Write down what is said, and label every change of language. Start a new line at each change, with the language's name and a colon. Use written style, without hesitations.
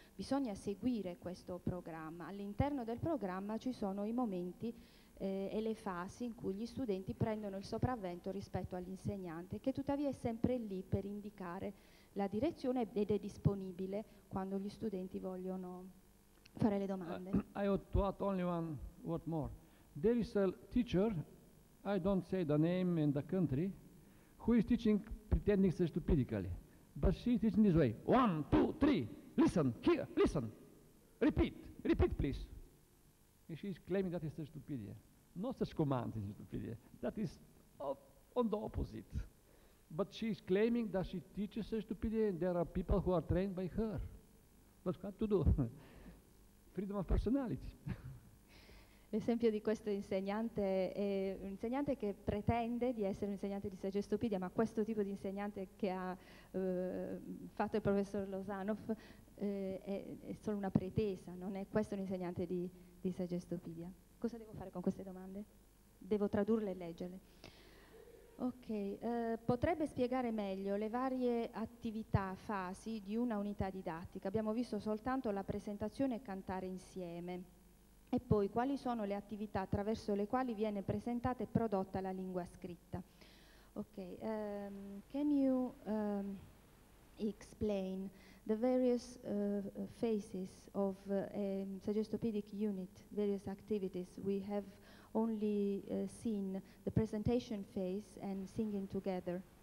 Italian: Bisogna seguire questo programma. All'interno del programma ci sono i momenti e le fasi in cui gli studenti prendono il sopravvento rispetto all'insegnante, che tuttavia è sempre lì per indicare la direzione ed è disponibile quando gli studenti vogliono fare le domande.
English: I ought to add only one word more. There is a teacher, I don't say the name and the country, who is teaching pretending stupidically, but she is teaching this way. One, two, three, listen, here, listen, repeat please. And she is claiming that is the stupidity. No such command is stupidity. That is on the opposite. But she is claiming that she teaches the stupidity and there are people who are trained by her. But what to do? Freedom of personality.
Italian: L'esempio di questo insegnante è un insegnante che pretende di essere un insegnante di Sagestopedia, ma questo tipo di insegnante che ha fatto il professor Lozanov è solo una pretesa, non è questo un insegnante di Sagestopedia. Cosa devo fare con queste domande? Devo tradurle e leggerle. Ok, potrebbe spiegare meglio le varie attività, fasi di una unità didattica. Abbiamo visto soltanto la presentazione e cantare insieme. E poi quali sono le attività attraverso le quali viene presentata e prodotta la lingua scritta?
English: Ok, can you explain the various phases of a Sagestopedic unit, various activities? We have only seen the presentation phase and singing together.